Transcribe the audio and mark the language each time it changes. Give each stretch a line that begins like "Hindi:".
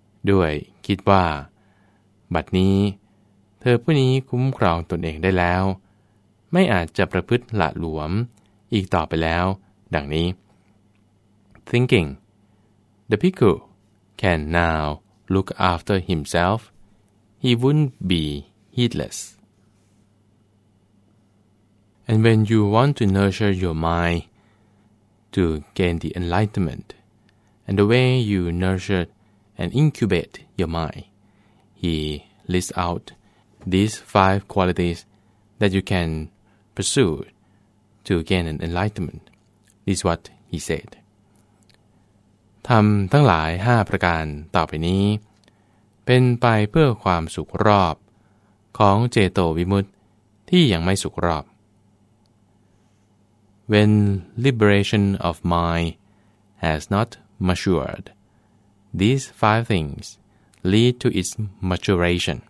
Thai: ด้วยคิดว่าบัดนี้เธอผู้นี้คุ้มครองตนเองได้แล้วไม่อาจจะประพฤติหละหลวมอีกต่อไปแล้วดังนี้
English: Thinking, the bhikkhu can now look after himself. He wouldn't be heedless. And when you want to nurture your mind to gain the enlightenment, and the way you nurture and incubate your mind, he lists out these five qualities that you can pursue to gain an enlightenment. This is what he said.
Thai: ทำทั้งหลาย5ประการต่อไปนี้เป็นไปเพื่อความสุขรอบของเจโตวิมุตติที่ยังไม่สุขรอบ
English: When liberation of mind has not matured, these five things lead to its maturation.